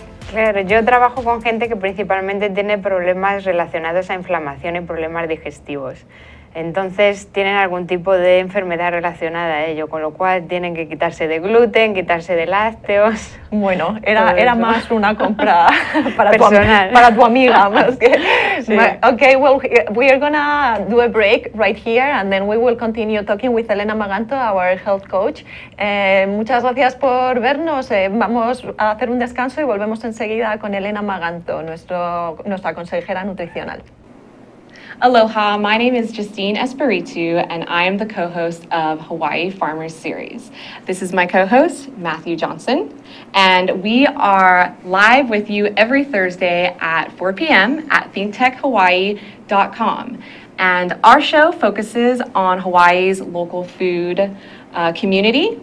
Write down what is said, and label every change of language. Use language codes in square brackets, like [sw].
[es] Claro, yo trabajo con gente que principalmente tiene problemas relacionados a inflamación y problemas digestivos. Entonces tienen algún tipo de enfermedad relacionada a ello, con lo cual tienen que quitarse de gluten, quitarse de lácteos. Bueno, era más una compra para tu amiga más que. Sí. [en] Okay, well, we are gonna do a break right here and then we will continue talking with Elena Maganto, our health coach. [es] Muchas gracias por vernos. Vamos a hacer un descanso y volvemos enseguida con Elena Maganto, nuestra consejera nutricional. [en] Aloha, my name is Justine Espiritu, and I am the co-host of Hawaii Farmers Series. This is my co-host, Matthew Johnson, and we are live with you every Thursday at 4 p.m. at thinktechhawaii.com. And our show focuses on Hawaii's local food community.